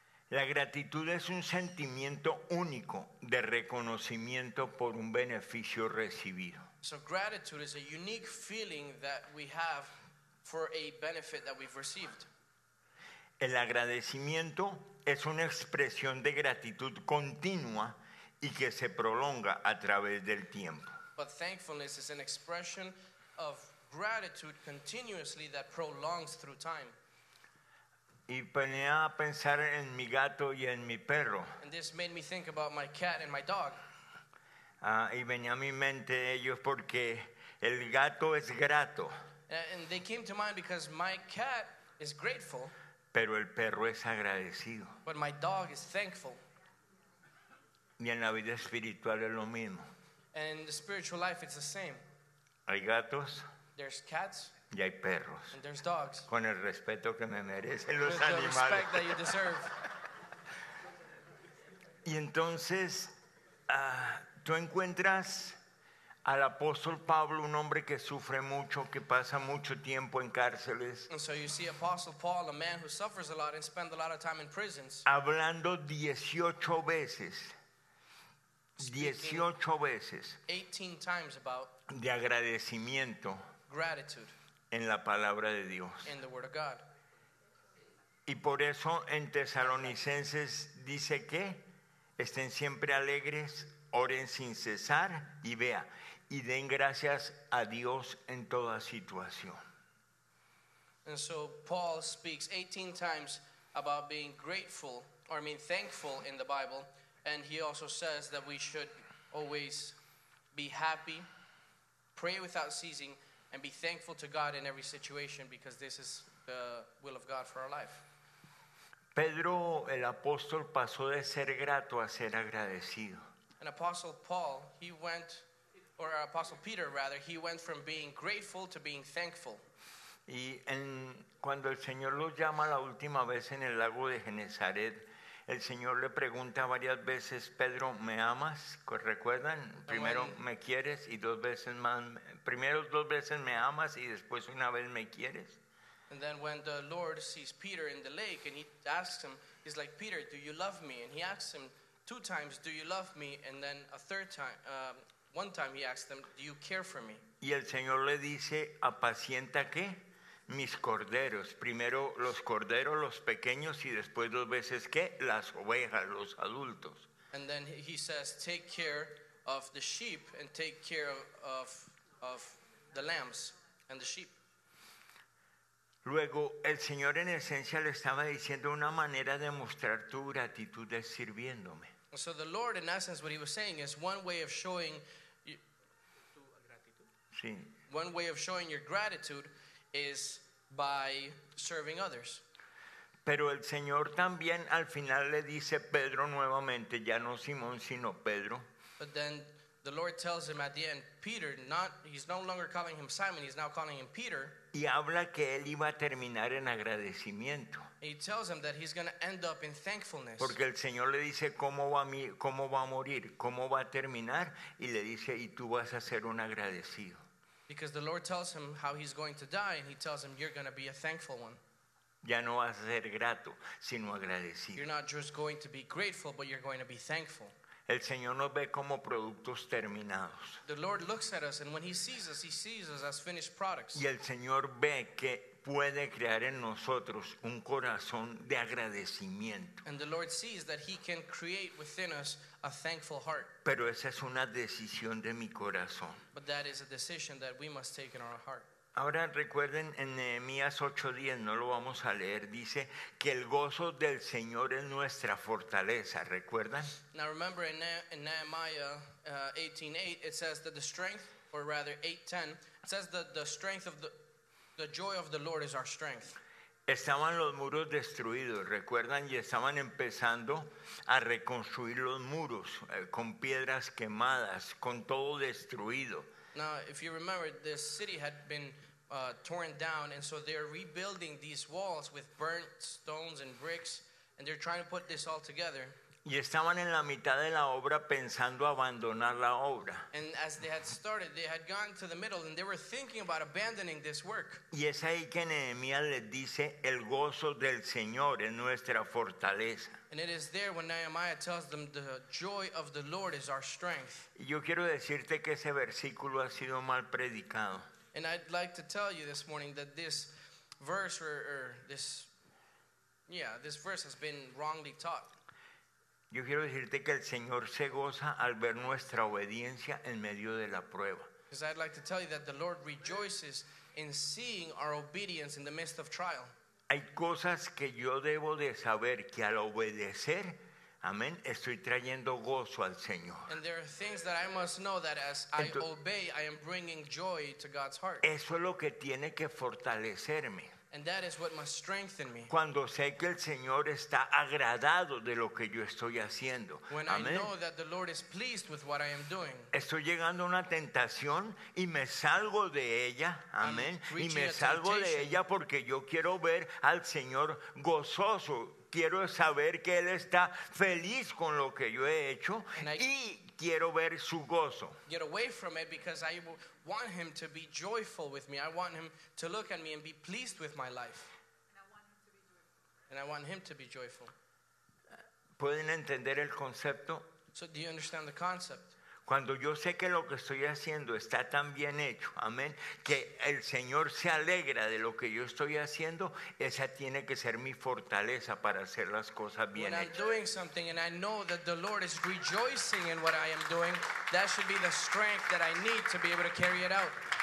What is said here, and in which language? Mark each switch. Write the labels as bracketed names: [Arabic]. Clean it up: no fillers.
[Spanish] La gratitud es un sentimiento único de reconocimiento por un beneficio recibido. [English] So gratitude is a unique feeling that we have for a benefit that we've received. [Spanish] El agradecimiento es una expresión de gratitud continua y que se prolonga a través del tiempo. [English] But thankfulness is an expression of gratitude continuously that prolongs through time. [Spanish] Y ponía a pensar en mi gato y en mi perro. [English] And this made me think about my cat and my dog. [Spanish] Y venía a mi mente ellos porque el gato es grato. [English] And they came to mind because my cat is grateful. [Spanish] Pero el perro es agradecido. [English] But my dog is thankful. [Spanish] Y en la vida espiritual es lo mismo. [English] And in the spiritual life it's the same. [Spanish] Hay gatos. [English] There's cats. [Spanish] Y hay perros. [English] And there's dogs. [Spanish] Con el respeto que me merecen los [English] With [Spanish] animales. [English] The respect that you deserve. [Spanish] Y entonces, tú encuentras al apóstol Pablo, un hombre que sufre mucho, que pasa mucho tiempo en cárceles. [English] And so you see Apostle Paul, a man who suffers a lot and spends a lot of time in prisons. [Spanish] Hablando 18 veces. 18 veces. [English] 18 times about. [Spanish] De agradecimiento. [English] Gratitude. [Spanish] En la palabra de Dios. [English] In the word of God. [Spanish] Y por eso en Tesalonicenses dice que estén siempre alegres, oren sin cesar y vea, y den gracias a Dios en toda situación. [English] And so Paul speaks 18 times about being grateful, or I mean thankful in the Bible, and he also says that we should always be happy, pray without ceasing, and be thankful to God in every situation, because this is the will of God for our life. [Spanish] Pedro, el apóstol, pasó de ser grato a ser agradecido. [English] An apostle Paul, he went, or apostle Peter rather, he went from being grateful to being thankful. [Spanish] Y en, cuando el Señor lo llama la última vez en el lago de Genezaret, el Señor le pregunta varias veces, Pedro, ¿me amas? ¿Recuerdan? Primero, ¿me quieres? Y dos veces más, primero dos veces me amas y después una vez me quieres. [English] And then when the Lord sees Peter in the lake and he asks him, he's like, Peter, do you love me? And he asks him two times, do you love me? And then a third time, one time he asks them, do you care for me? [Spanish] Y el Señor le dice, ¿apacienta qué? Mis corderos. Primero los corderos, los pequeños, y después dos veces, ¿qué? Las ovejas, los adultos. [English] And then he says, take care of the sheep and take care of the lambs and the sheep. [Spanish] Luego, el Señor en esencia le estaba diciendo una manera de mostrar tu gratitud de sirviéndome. [English] So the Lord, in essence, what he was saying is one way of showing [Spanish] tu gratitud. Sí. [English] One way of showing your gratitude is by serving others. [Spanish] Pero el Señor también al final le dice Pedro nuevamente, ya no Simón, sino Pedro. [English] But then the Lord tells him at the end, Peter, he's no longer calling him Simon, he's now calling him Peter. [Spanish] Y habla que él iba a terminar en agradecimiento. [English] He tells him that he's going to end up in thankfulness. [Spanish] Porque el Señor le dice, ¿cómo va a morir? ¿Cómo va a terminar? Y le dice, y tú vas a ser un agradecido. [English] Because the Lord tells him how he's going to die, and he tells him, you're going to be a thankful one. [Spanish] Ya no vas a ser grato, sino agradecido. [English] You're not just going to be grateful, but you're going to be thankful. [Spanish] El Señor nos ve como productos terminados. [English] The Lord looks at us, and when he sees us, he sees us as finished products. [Spanish] Y el Señor ve que puede crear en nosotros un corazón de agradecimiento. [English] And the Lord sees that he can create within us a thankful heart. [Spanish] Pero esa es una decisión de mi corazón. [English] But that is a decision that we must take in our heart. [Spanish] Ahora recuerden en Nehemías 8:10, no lo vamos a leer, dice que el gozo del Señor es nuestra fortaleza, ¿recuerdan? [English] Now remember in Nehemiah 18:8, it says that the strength, or rather 8:10, it says that the strength of the joy of the Lord is our strength. [Spanish] Estaban los muros destruidos, ¿recuerdan? Y estaban empezando a reconstruir los muros con piedras quemadas, con todo destruido. [English] Now, if you remember, this city had been torn down, and so they're rebuilding these walls with burnt stones and bricks, and they're trying to put this all together. [Spanish] Y estaban en la mitad de la obra pensando abandonar la obra. [English] And as they had started, they had gone to the middle, and they were thinking about abandoning this work. [Spanish] Y es ahí que Nehemías les dice, el gozo del Señor es nuestra fortaleza. [English] And it is there when Nehemiah tells them, the joy of the Lord is our strength. [Spanish] Yo quiero decirte que ese versículo ha sido mal predicado. [English] And I'd like to tell you this morning that this verse, this verse has been wrongly taught. [Spanish] Yo quiero decirte que el Señor se goza al ver nuestra obediencia en medio de la prueba. [English] Because I'd like to tell you that the Lord rejoices in seeing our obedience in the midst of trial. [Spanish] Hay cosas que yo debo de saber que al obedecer, amén, estoy trayendo gozo al Señor. [English] And there are things that I must know that as [Spanish] entonces, [English] I obey, I am bringing joy to God's heart. [Spanish] Eso es lo que tiene que fortalecerme. [English] And that is what must strengthen me. [Spanish] Cuando sé que el Señor está agradado de lo que yo estoy haciendo. [English] When [Spanish] amén. [English] I know that the Lord is pleased with what I am doing. [Spanish] Estoy llegando a una tentación y me salgo de ella. Amén. Y me salgo de ella porque yo quiero ver al Señor gozoso. Quiero saber que Él está feliz con lo que yo he hecho. Y quiero ver su gozo. [English] Get away from it because I want him to be joyful with me. I want him to look at me and be pleased with my life. And I want him to be joyful. And I want him to be joyful. So do you understand the concept? [Spanish] cuando yo sé que lo que estoy haciendo está tan bien hecho, amén, que el Señor se alegra de lo que yo estoy haciendo, esa tiene que ser mi fortaleza para hacer las cosas bien hechas. [English] When I'm doing something and I know that the Lord is rejoicing in what I am doing, that should be the strength that I need to be able to carry it out.